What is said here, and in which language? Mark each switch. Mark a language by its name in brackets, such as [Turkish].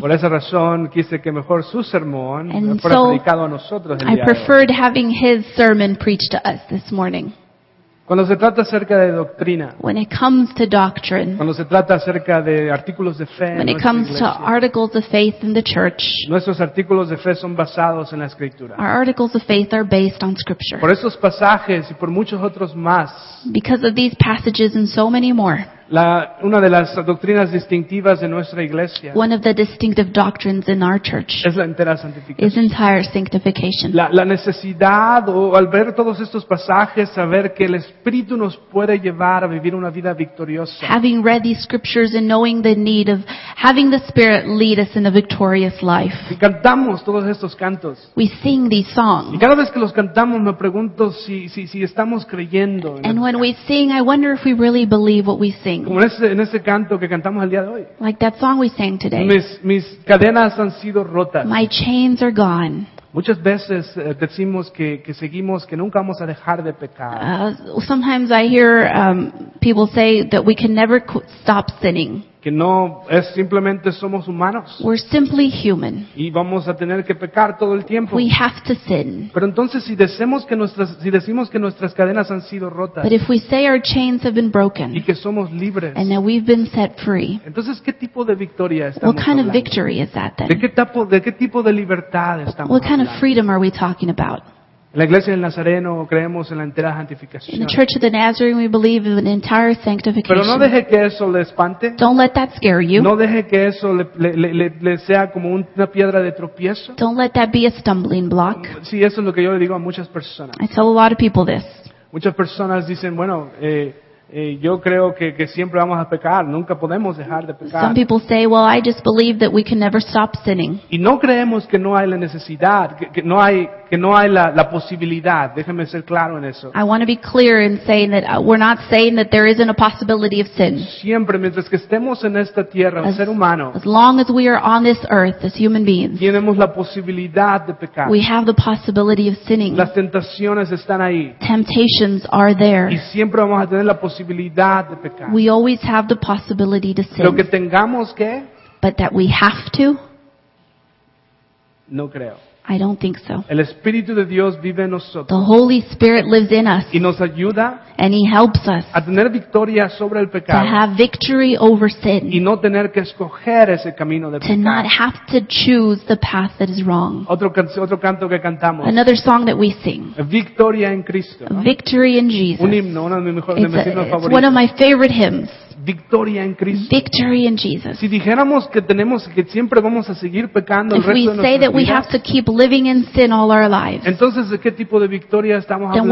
[Spanish] Por esa razón quise que mejor su sermón fuera predicado a nosotros el día de hoy. [English] I preferred having his sermon preached to us this morning. [Spanish] Cuando se trata acerca de doctrina. [English] When it comes to doctrine. [Spanish] Cuando se trata acerca de artículos de fe. [English] When it comes to articles of faith in the church. [Spanish] Nuestros artículos de fe son basados en la escritura. [English] Our articles of faith are based on scripture. [Spanish] Por esos pasajes y por muchos otros más. [English] Because of these passages and so many more. [Spanish] Una de las doctrinas distintivas de nuestra iglesia. [English] One of the distinctive doctrines in our church. [Spanish] Es la entera santificación. [English] Is entire sanctification. [Spanish] La necesidad o al ver todos estos pasajes saber que el Espíritu nos puede llevar a vivir una vida victoriosa. [English] Having read these scriptures and knowing the need of having the Spirit lead us in a victorious life. [Spanish] Y cantamos todos estos cantos. [English] We sing these songs. [Spanish] Y cada vez que los cantamos me pregunto si estamos creyendo. [English] And when we sing, I wonder if we really believe what we sing. [Spanish] Como en ese canto que cantamos el día de hoy. [English] Like that song we sang today. [Spanish] Mis cadenas han sido rotas. [English] My chains are gone. [Spanish] Muchas veces decimos que seguimos, que nunca vamos a dejar de pecar. [English] Sometimes I hear people say that we can never stop sinning. [Spanish] Que no, es simplemente somos humanos. [English] We're simply human. [Spanish] Y vamos a tener que pecar todo el tiempo. [English] We have to sin. [Spanish] Pero entonces si decimos que nuestras cadenas han sido rotas. [English] But if we say our chains have been broken. [Spanish] Y que somos libres. [English] And that we've been set free. [Spanish] Entonces, ¿qué tipo de victoria estamos hablando? [English] What kind [Spanish] hablando? [English] Of victory is that then? [Spanish] ¿De qué tipo de libertad estamos hablando? [English] What kind of freedom are we talking about? [Spanish] En la iglesia del Nazareno creemos en la entera santificación. [English] In the Church of the Nazarene we believe in an entire sanctification. [Spanish] Pero no deje que eso le espante. [English] Don't let that scare you. [Spanish] No deje que eso le sea como una piedra de tropiezo. [English] Don't let that be a stumbling block. [Spanish] Sí, eso es lo que yo le digo a muchas personas. [English] I tell a lot of people this. [Spanish] Muchas personas dicen, bueno, yo creo que siempre vamos a pecar, nunca podemos dejar de pecar. [English] Some people say, well, I just believe that we can never stop sinning. [Spanish] Y no creemos que no hay la necesidad, que no hay la posibilidad. Déjeme ser claro en eso. [English] I want to be clear in saying that we're not saying that there isn't a possibility of sin. [Spanish] Siempre, mientras que estemos en esta tierra, un ser humano. [English] As long as we are on this earth, as human beings. [Spanish] Tenemos la posibilidad de pecar. [English] We have the possibility of sinning. [Spanish] Las tentaciones están ahí. [English] Temptations are there. [Spanish] Y siempre vamos a tener la posibilidad de pecar. [English] We always have the possibility to sin. [Spanish] Lo que tengamos que. [English] But that we have to. [Spanish] No creo. [English] I don't think so. [Spanish] El Espíritu de Dios vive en nosotros. [English] The Holy Spirit lives in us. [Spanish] Y nos ayuda. [English] And He helps us. [Spanish] A tener victoria sobre el pecado. [English] To have victory over sin. [Spanish] Y no tener que escoger ese camino de [English] to [Spanish] pecado. [English] To not have to choose the path that is wrong. [Spanish] Otro canto que cantamos. [English] Another song that we sing. [Spanish] Victoria en Cristo. ¿No? [English] Victory in Jesus. [Spanish] Un himno, uno de mis mejores himnos favoritos. [English] It's one of my favorite hymns. [Spanish] Victoria en Cristo. [English] Victory in Jesus. [Spanish] Si dijéramos que siempre vamos a seguir pecando el resto de nuestras vidas. [English] If we say that we have to keep living in sin all our lives. [Spanish] Entonces, ¿de qué tipo de victoria estamos hablando?